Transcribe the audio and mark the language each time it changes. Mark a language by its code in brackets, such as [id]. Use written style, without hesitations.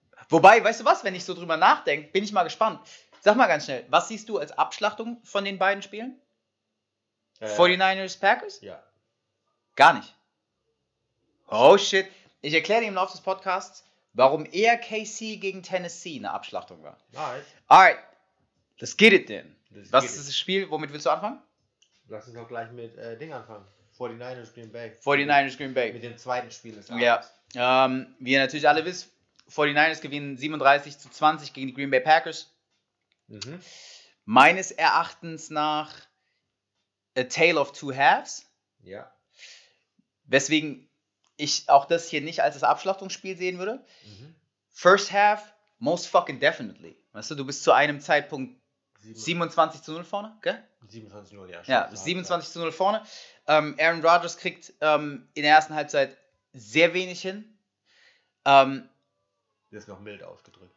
[de] Wobei, weißt du was, wenn ich so drüber nachdenke, bin ich mal gespannt. Sag mal ganz schnell, was siehst du als Abschlachtung von den beiden Spielen? 49ers, Packers? Ja. Gar nicht. Oh shit. Ich erkläre dir im Laufe des Podcasts, warum eher KC gegen Tennessee eine Abschlachtung war. Nice. [en] Alright, let's get it then. [de] Das Was geht. ist das Spiel, womit willst du anfangen? Lass uns auch gleich mit Ding anfangen. 49ers Green Bay. 49ers Green Bay. Mit dem zweiten Spiel des Ja. Abends. Wie ihr natürlich alle wisst, 49ers gewinnen 37 zu 20 gegen die Green Bay Packers. Meines Erachtens nach [en] A Tale of Two Halves. [de] Ja. Weswegen ich auch das hier nicht als das Abschlachtungsspiel sehen würde. [en] First half, most fucking definitely. [de] Weißt du, du bist zu einem Zeitpunkt 27 zu 0 vorne, gell? 27:0, ja, schon Ja, zur Halbzeit. 27 zu 0 vorne. Aaron Rodgers kriegt in der ersten Halbzeit sehr wenig hin. Das ist noch mild ausgedrückt.